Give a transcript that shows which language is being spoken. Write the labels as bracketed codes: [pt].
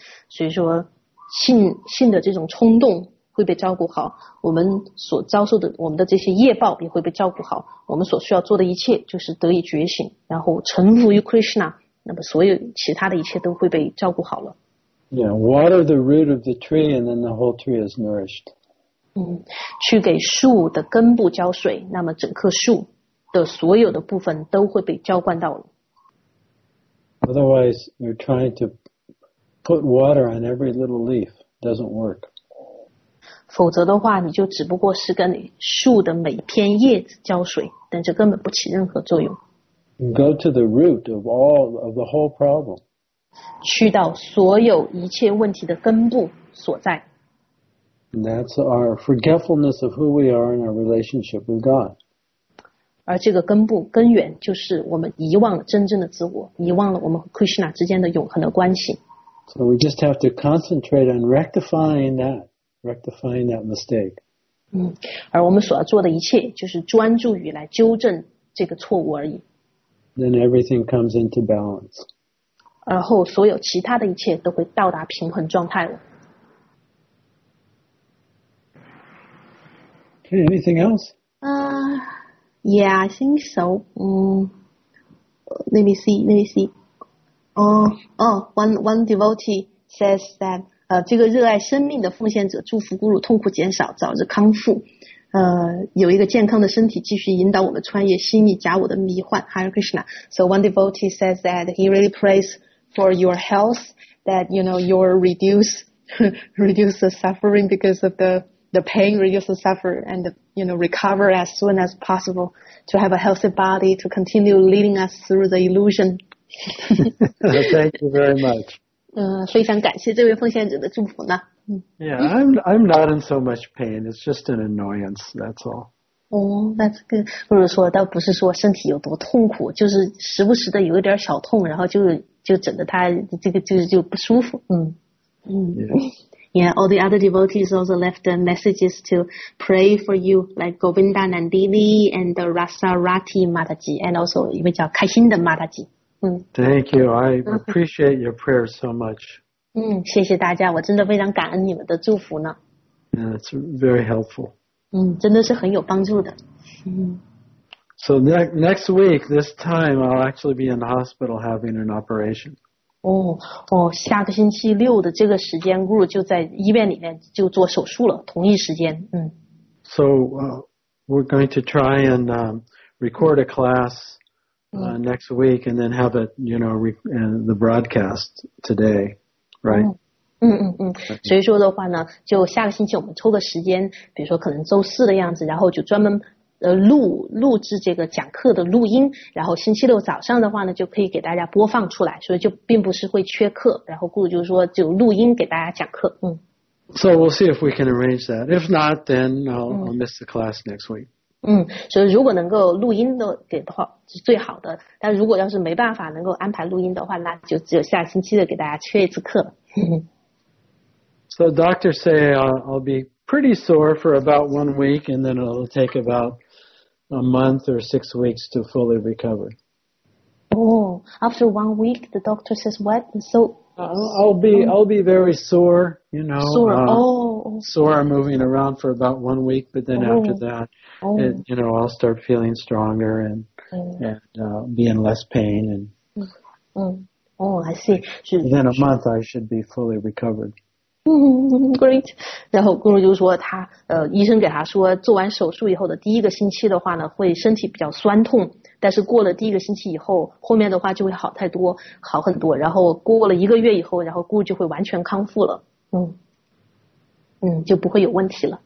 [zh] 所以说性的这种冲动会被照顾好，我们所遭受的我们的这些业报也会被照顾好，我们所需要做的一切就是得以觉醒，然后臣服于 Krishna, 那么所有其他的一切都会被照顾好了。 [en] Yeah, water the root of the tree and then the whole tree is nourished. [zh] 去给树的根部浇水，那么整棵树的所有的部分都会被浇灌到了。 [en] Otherwise, you're trying to put water on every little leaf. Doesn't work. [zh] 否则的话，你就只不过是跟树的每片叶子浇水，但这根本不起任何作用。 [en] Go to the root of all of the whole problem. [zh] 去到所有一切问题的根部所在。 [en] And that's our forgetfulness of who we are in our relationship with God. [zh] 而这个根部根源就是我们遗忘了真正的自我，遗忘了我们和 Krishna 之间的永恒的关系。 [en] So we just have to concentrate on rectifying that mistake. [zh] 而我们所要做的一切就是专注于来纠正这个错误而已。 [en] Then everything comes into balance. 而后所有其他的一切都会到达平衡状态了。 Okay, anything else? Yeah, I think so. Let me see. One devotee says that, [zh] 这个热爱生命的奉献者祝福咕噜痛苦减少，早日康复。有一个健康的身体继续引导我们穿越心意假我的迷幻。 [en] Hare Krishna. So one devotee says that he really prays for your health, that, you know, you're reduce the suffering because of the pain, reduce the suffering, and, you know, recover as soon as possible to have a healthy body to continue leading us through the illusion. Thank you very much. [zh] 非常感谢这位奉献者的祝福呢。 [en] Yeah, I'm not in so much pain. It's just an annoyance, that's all. Oh, that's good. [zh] 或者说倒不是说身体有多痛苦，就是时不时的有一点小痛，然后就整得他这个就不舒服。 [en] Yeah, all the other devotees also left the messages to pray for you, like Govinda Nandini and Rasarati Mataji, and also [zh] 一位叫开心的 [en] Mataji. Thank you. I appreciate your prayers so much. [zh] 谢谢大家，我真的非常感恩你们的祝福呢。 [en] Yeah, it's very helpful. [zh] 真的是很有帮助的。 [en] So next week, this time, I'll actually be in the hospital having an operation. [zh] 下个星期六的这个时间 Guru 就在医院里面就做手术了，同一时间。 [en] So we're going to try and record a class next week and then have it, you know, the broadcast today, right? [zh] 所以说的话呢，就下个星期我们抽个时间，比如说可能周四的样子，然后就专门录制这个讲课的录音，然后星期六早上的话呢，就可以给大家播放出来，所以就并不是会缺课，然后顾就是说就录音给大家讲课。 [en] So we'll see if we can arrange that. If not, then I'll miss the class next week. [zh] 所以如果能够录音的给的话是最好的，但如果要是没办法能够安排录音的话，那就只有下星期的给大家缺一次课了。 [en] So doctors say I'll be pretty sore for about 1 week, and then it'll take about a month or 6 weeks to fully recover. After 1 week, the doctor says what? So I'll be very sore, you know. Sore. Sore moving around for about 1 week, but then after that, I'll start feeling stronger and be in less pain. I see. Then a month, I should be fully recovered. Great. [zh] 然后顾如就说他医生给他说做完手术以后的第一个星期的话呢会身体比较酸痛，但是过了第一个星期以后后面的话就会好太多，好很多，然后过了一个月以后，然后顾如就会完全康复了，就不会有问题了。